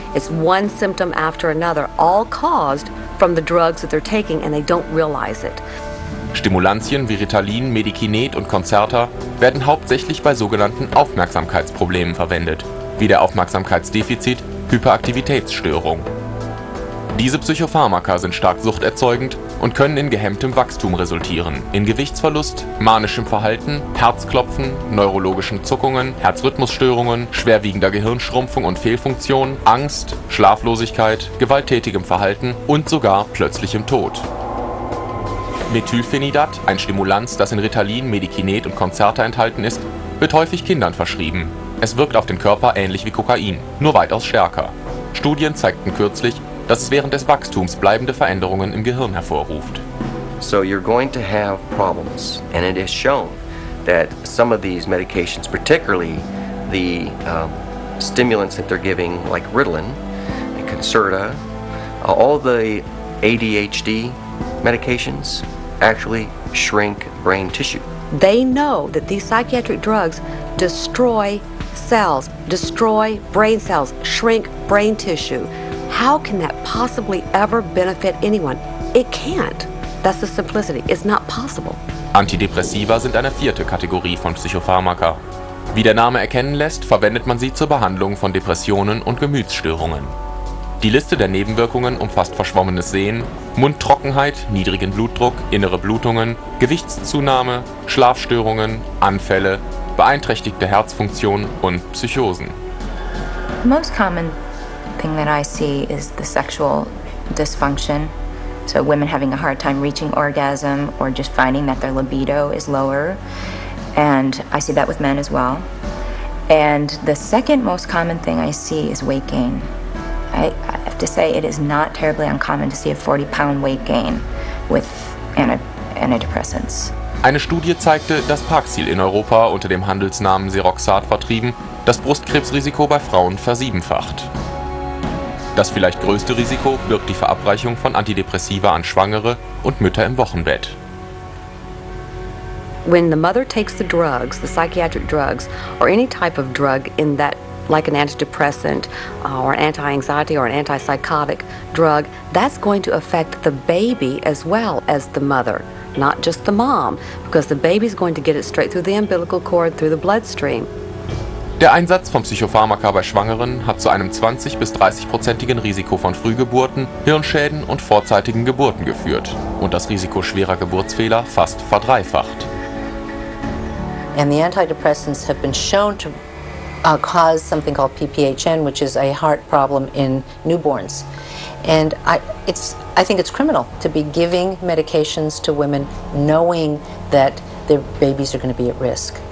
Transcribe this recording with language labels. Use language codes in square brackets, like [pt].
[en] It's one symptom after another, all caused from the drugs that they're taking, and they don't realize it. [de] Stimulantien wie Ritalin, Medikinet und Concerta werden hauptsächlich bei sogenannten Aufmerksamkeitsproblemen verwendet, wie der Aufmerksamkeitsdefizit-Hyperaktivitätsstörung. Diese Psychopharmaka sind stark suchterzeugend und können in gehemmtem Wachstum resultieren, in Gewichtsverlust, manischem Verhalten, Herzklopfen, neurologischen Zuckungen, Herzrhythmusstörungen, schwerwiegender Gehirnschrumpfung und Fehlfunktion, Angst, Schlaflosigkeit, gewalttätigem Verhalten und sogar plötzlichem Tod. Methylphenidat, ein Stimulans, das in Ritalin, Medikinet und Concerta enthalten ist, wird häufig Kindern verschrieben. Es wirkt auf den Körper ähnlich wie Kokain, nur weitaus stärker. Studien zeigten kürzlich, dass es während des Wachstums bleibende Veränderungen im Gehirn hervorruft. [en] So you're going to have problems, and it is shown that some of these medications, particularly the stimulants that they're giving, like Ritalin, Concerta, all the ADHD medications actually shrink brain tissue. They know that these psychiatric drugs destroy cells, destroy brain cells, shrink brain tissue. How can that possibly ever benefit anyone? It can't. That's the simplicity. It's not possible. [de] Antidepressiva sind eine vierte Kategorie von Psychopharmaka. Wie der Name erkennen lässt, verwendet man sie zur Behandlung von Depressionen und Gemütsstörungen. Die Liste der Nebenwirkungen umfasst verschwommenes Sehen, Mundtrockenheit, niedrigen Blutdruck, innere Blutungen, Gewichtszunahme, Schlafstörungen, Anfälle, beeinträchtigte Herzfunktion und Psychosen. [en] The most common thing that I see is the sexual dysfunction. So women having a hard time reaching orgasm or just finding that their libido is lower. And I see that with men as well. And the second most common thing I see is weight gain. I have to say, it is not terribly uncommon to see a 40-pound weight gain with antidepressants. [de] Eine Studie zeigte, dass Paxil in Europa unter dem Handelsnamen Seroxat vertrieben, das Brustkrebsrisiko bei Frauen versiebenfacht. Das vielleicht größte Risiko birgt die Verabreichung von Antidepressiva an Schwangere und Mütter im Wochenbett. [en] When the mother takes the drugs, the psychiatric drugs, or any type of drug in that, like an antidepressant or anti-anxiety or an antipsychotic drug, that's going to affect the baby as well as the mother, not just the mom, because the baby's going to get it straight through the umbilical cord, through the bloodstream. [de] Der Einsatz von Psychopharmaka bei Schwangeren hat zu einem 20-30%igen Risiko von Frühgeburten, Hirnschäden und vorzeitigen Geburten geführt und das Risiko schwerer Geburtsfehler fast verdreifacht. [en] And the antidepressants have been shown to cause something called PPHN, which is a heart problem in newborns. And I think it's criminal to be giving medications to women knowing that their babies are going to be at risk.